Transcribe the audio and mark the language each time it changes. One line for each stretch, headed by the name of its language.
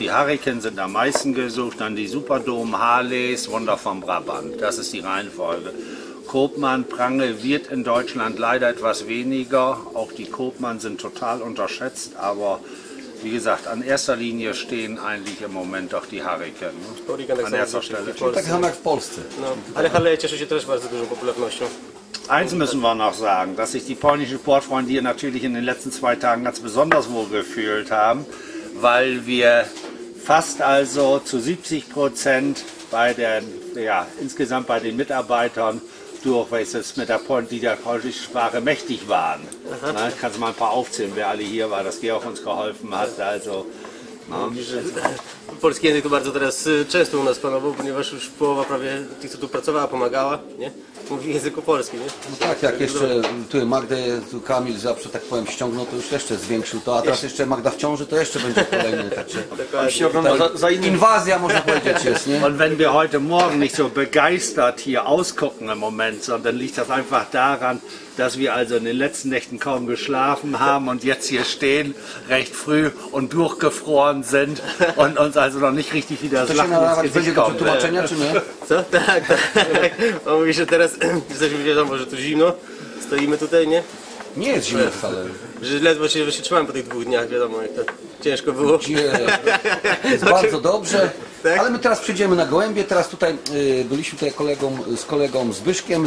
German: Die Hurricane sind am meisten gesucht, dann die Superdome, Harleys, Wunder von Brabant. Das ist die Reihenfolge. Koopman, Prangel wird in Deutschland leider etwas weniger. Auch die Koopman sind total unterschätzt, aber wie gesagt, an erster Linie stehen eigentlich im Moment doch die Hurricane. Ne? An erster Stelle.
Polish: Tak samo jak w Polsce. Ale Harley cieszy się też bardzo dużą popularnością.
German: Eins müssen wir noch sagen, dass sich die polnischen Sportfreunde hier natürlich in den letzten zwei Tagen ganz besonders wohl gefühlt haben, weil wir fast also zu 70% bei den, ja, insgesamt bei den Mitarbeitern durch, weiß es, mit der Polen, die der polnischen Sprache mächtig waren. Na, ich kann es mal ein paar aufzählen, wer alle hier war, dass Georg uns geholfen hat. Also, no.
Polish: Polski język to bardzo teraz często u nas panował, ponieważ już połowa prawie tych, co tu pracowała, pomagała, nie? Mówi w języku polskim, nie? No tak, jak jeszcze tu Magdę, tu Kamil zawsze, tak powiem, ściągnął, to już jeszcze zwiększył to, a teraz jeszcze Magda w ciąży, to jeszcze będzie kolejny, także... się ogląda za innym. Inwazja, można powiedzieć, jest, nie?
German: Und wenn wir heute Morgen nicht so begeistert hier ausgucken im Moment, sondern liegt das einfach daran, dass wir also in den letzten Nächten kaum geschlafen haben und jetzt hier stehen, recht früh und durchgefroren sind und uns also noch nicht richtig wieder so lachen ins Gesicht kommt.
Polish: Co? Tak, tak. On mówi, że teraz jesteśmy wiadomo, że tu zimno, stoimy tutaj, nie? Nie jest zimno wcale. Że ledwo się trzymałem po tych dwóch dniach, wiadomo, jak to ciężko było. Jest bardzo dobrze. Tak? Ale my teraz przejdziemy na gołębie. Teraz tutaj byliśmy tutaj z kolegą Zbyszkiem.